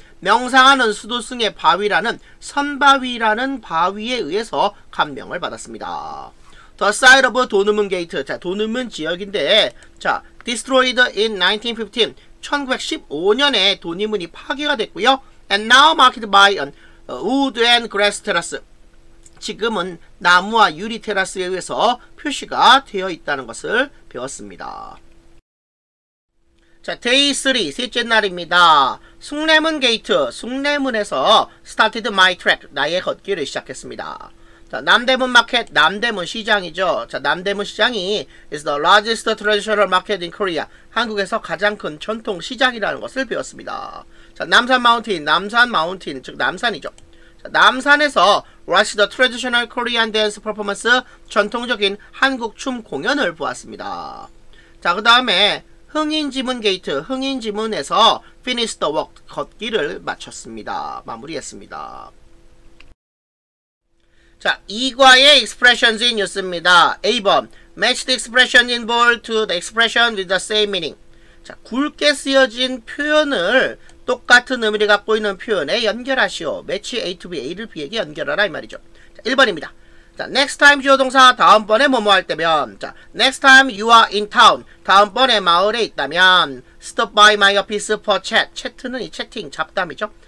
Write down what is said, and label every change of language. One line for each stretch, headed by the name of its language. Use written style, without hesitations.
Korean: 명상하는 수도승의 바위라는 선바위라는 바위에 의해서 감명을 받았습니다.
English: The side of Donumun Gate.
Korean: 자, 도누문 지역인데, 자,
English: destroyed in 1915.
Korean: 1915년에 도누문이 파괴가 됐고요.
English: And now marked by an wood and grass terrace.
Korean: 지금은 나무와 유리 테라스에 의해서 표시가 되어 있다는 것을 배웠습니다. 자, day 3, 셋째 날입니다. 숭례문 게이트, 숭례문에서
English: started my track,
Korean: 나의 걷기를 시작했습니다. 자, 남대문 마켓, 남대문 시장이죠. 자, 남대문 시장이
English: is the largest traditional market in Korea,
Korean: 한국에서 가장 큰 전통 시장이라는 것을 배웠습니다. 자, 남산 마운틴, 남산 마운틴, 즉 남산이죠. 자, 남산에서
English: watch the traditional Korean dance performance,
Korean: 전통적인 한국 춤 공연을 보았습니다. 자, 그 다음에 흥인지문 게이트, 흥인지문에서
English: finish the walk,
Korean: 걷기를 마쳤습니다. 마무리했습니다. 자, 이과의 expressions in use입니다.
English: A번, match the expression in bold to the expression with the same meaning.
Korean: 자, 굵게 쓰여진 표현을 똑같은 의미를 갖고 있는 표현에 연결하시오.
English: match A to B,
Korean: A를 B에게 연결하라 이 말이죠. 자, 1번입니다. 자, next time 주어동사, 다음번에 뭐뭐 할 때면, 자,
English: next time you are in town,
Korean: 다음번에 마을에 있다면,
English: stop by my office for chat,
Korean: 채트는 이 채팅, 잡담이죠.